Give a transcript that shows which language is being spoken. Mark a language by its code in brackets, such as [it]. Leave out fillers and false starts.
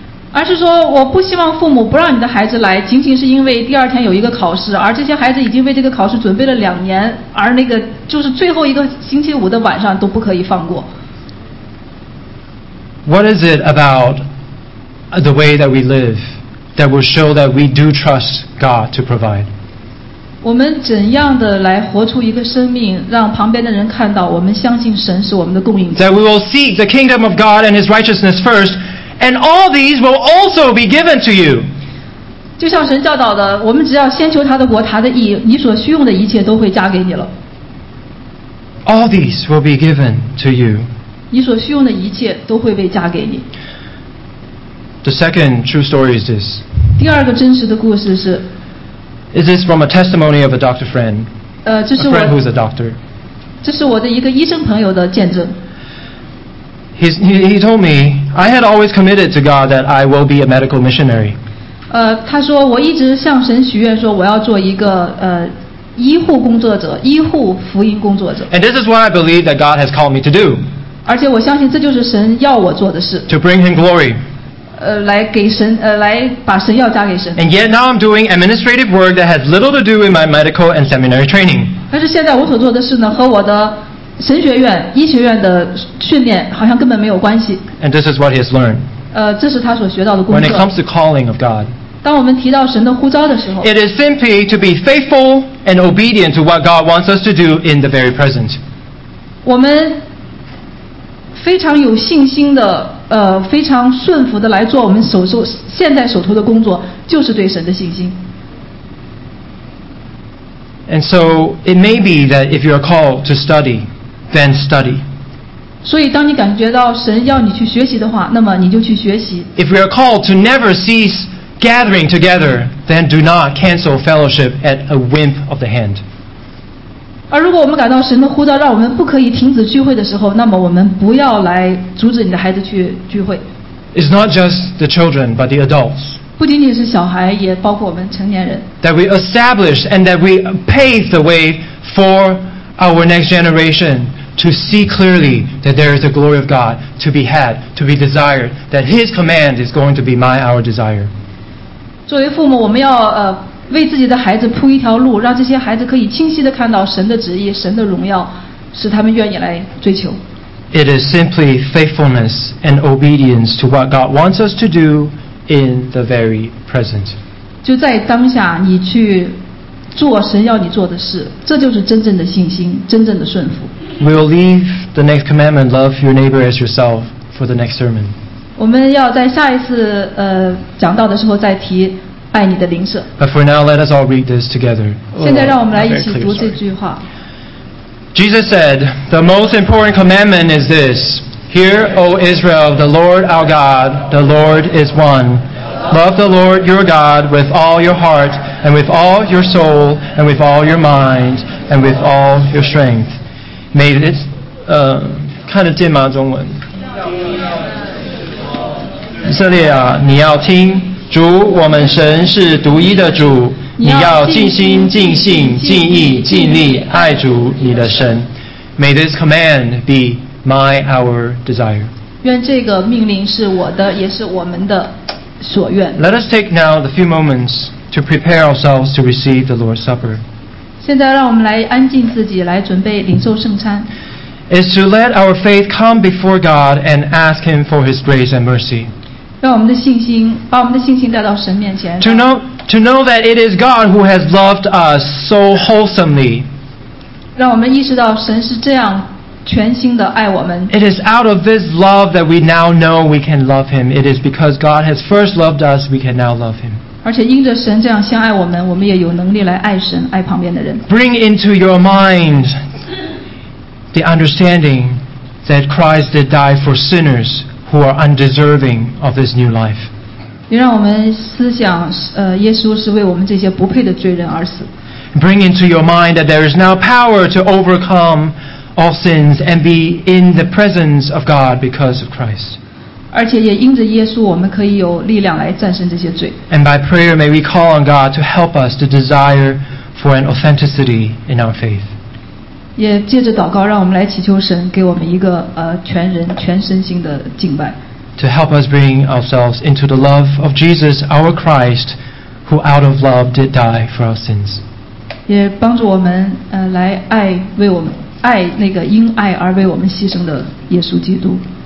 [zh] 而是说我不希望父母不让你的孩子来仅仅是因为第二天有一个考试而这些孩子已经为这个考试准备了两年而那个就是最后一个星期五的晚上都不可以放过 [en] What is it about the way that we live that will show that we do trust God to provide? [zh] 我们怎样的来活出一个生命让旁边的人看到我们相信神是我们的供应者 [en] That we will seek the kingdom of God and His righteousness firstAnd all these will also be given to you. [zh] 就像神教导的，我们只要先求他的国、他的义，你所需用的一切都会加给你了。 [en] All these will be given to you. [zh] 你所需用的一切都会被加给你。 [en] The second true story is this. [zh] 第二个真实的故事是。 [en] Is this from a testimony of a doctor friend? [zh] 这是我。 [en] A friend who is a doctor. [zh] 这是我的一个医生朋友的见证。 [en] He told me, I had always committed to God that I will be a medical missionary. [zh] 他说我一直向神许愿说我要做一个医护工作者，医护福音工作者。 [en] And this is what I believe that God has called me to do. [zh] 而且我相信这就是神要我做的事。 [en] To bring Him glory. [zh] 来给神来把神要加给神。 [en] And yet now I'm doing administrative work that has little to do with my medical and seminary training. [zh] 但是现在我所做的事呢，和我的神学院、医学院的训练好像根本没有关系。 [en] And this is what he has learned. [zh] 这是他所学到的功课。 [en] When it comes to calling of God, [zh] 当我们提到神的呼召的时候 [en] ，it is simply to be faithful and obedient to what God wants us to do in the very present. [zh] 我们非常有信心的，非常顺服的来做我们现在手头的工作，就是对神的信心。 [en] And so it may be that if you are called to study. Then study. [zh] 所以当你感觉到神要你去学习的话，那么你就去学习。 [en] If we are called to never cease gathering together, then do not cancel fellowship at a wimp of the hand. [zh] 而如果我们感到神的呼召让我们不可以停止聚会的时候，那么我们不要来阻止你的孩子去聚会。 [en] It's not just the children, but the adults. [zh] 不仅仅是小孩，也包括我们成年人。 [en] That we establish and that we pave the way for. Our next generation to see clearly that there is a glory of God to be had, to be desired, that His command is going to be our desire. [zh] 作为父母，我们要为自己的孩子铺一条路，让这些孩子可以清晰地看到神的旨意、神的荣耀，使他们愿意来追求。 [en] It is simply faithfulness and obedience to what God wants us to do in the very present. [zh] 就在当下，你去。做神要你做的事，这就是真正的信心，真正的顺服。 [en] We'll leave the next commandment, love your neighbor as yourself, for the next sermon. [zh] 我们要在下一次讲到的时候再提爱你的邻舍。 [en] But for now, let us all read this together. [zh] 现在让我们来一起读这句话。 [en] Jesus said, "The most important commandment is this: Hear, O Israel, the Lord our God, the Lord is one." Love the Lord your God with all your heart, and with all your soul, and with all your mind, and with all your strength. May this, [zh] 看得见吗？中文。以色列啊，你要听，主我们神是独一的主，你要尽心、尽性、尽意、尽力爱主你的神。 [en] May this command be our desire. [zh] 愿这个命令是我的，也是我们的。 [en] Let us take now the few moments to prepare ourselves to receive the Lord's Supper. [zh] 现在让我们来安静自己，来准备领受圣餐。 [en] Is to let our faith come before God and ask Him for His grace and mercy. [zh] 让我们的信心，把我们的信心带到神面前。 [en] To know that it is God who has loved us so wholesomely. [zh] 让我们意识到神是这样全心的爱我们。 [en] It is out of this love that we now know we can love Him. It is because God has first loved us, we can now love Him. [zh] 而且因着神这样相爱我们，我们也有能力来爱神，爱旁边的人。 [en] Bring into your mind the understanding that Christ did die for sinners who are undeserving of this new life. [zh] 你让我们思想，耶稣是为我们这些不配的罪人而死。 [en] Bring into your mind that there is now power to overcome all sins and be in the presence of God because of Christ. [zh] 而且也因着耶稣，我们可以有力量来战胜这些罪。 [en] And by prayer, may we call on God to help us to desire for an authenticity in our faith. [zh] 也借着祷告，让我们来祈求神给我们一个全人全身心的敬拜。 [en] To help us bring ourselves into the love of Jesus, our Christ, who out of love did die for our sins. [zh] 也帮助我们来爱为我们爱那个因爱而为我们牺牲的耶稣基督。